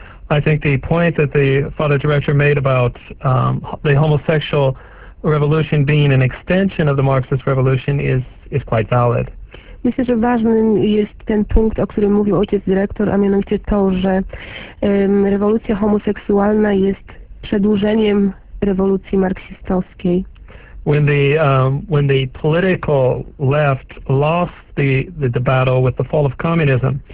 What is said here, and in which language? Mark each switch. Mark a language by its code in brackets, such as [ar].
[en] I think the point that the Father Director made about the homosexual revolution being an extension of the Marxist revolution is quite valid. [pl] Myślę, że ważnym jest ten punkt, o którym mówił ojciec dyrektor, a mianowicie to, że rewolucja homoseksualna jest przedłużeniem rewolucji marksistowskiej. [en] When the political left lost the battle with the fall of communism.